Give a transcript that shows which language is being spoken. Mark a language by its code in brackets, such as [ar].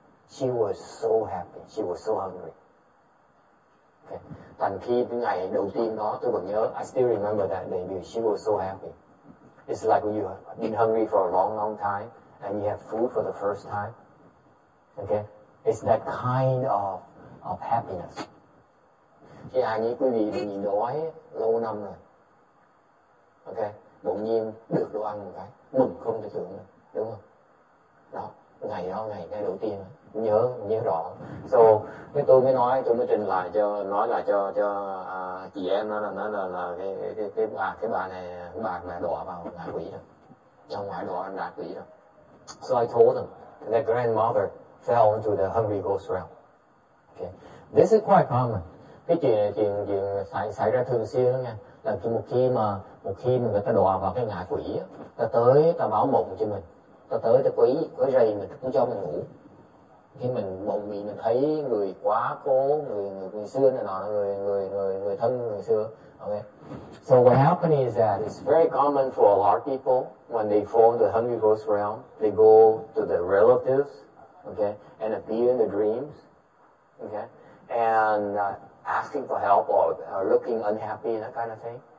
[en] She was so happy. She was so hungry. Okay. [vi] Thành khi cái ngày đầu tiên đó tôi vẫn nhớ, [en] I still remember that day because she was so happy. It's like you have been hungry for a long, long time and you have food for the first time. Okay? It's that kind of happiness. [vi] Khi ai nghĩ quý vị bị nhịn đói lâu năm rồi. Ok? Bỗng nhiên được đồ ăn một cái. Mừng không thể tưởng được. Đúng không? Đó. Ngày đó, ngày đầu tiên. Nhớ rõ. So, tôi mới trình lại cho, nói lại cho chị em nó là cái bà này đọa vào ngạ quỷ rồi. Trong ngoài đọa ngạ quỷ rồi. [en] So I told them that grandmother fell into the hungry ghost realm. Okay. This is quite common. [vi] Cái chuyện xảy ra thường xuyên đó nha, là một khi mà người ta đọa vào cái ngạ quỷ á, ta tới ta báo mộng cho mình, ta tới ta quấy rầy mình, cũng cho mình ngủ. Khi mình mộng mị mình thấy người quá cố, người xưa này nọ, người thân người xưa. Okay. [en] So what happened is that it's very common for a lot of people when they fall into the hungry ghost realm, they go to the relatives, okay, and appear in the dreams, okay, and asking for help or looking unhappy and that kind of thing.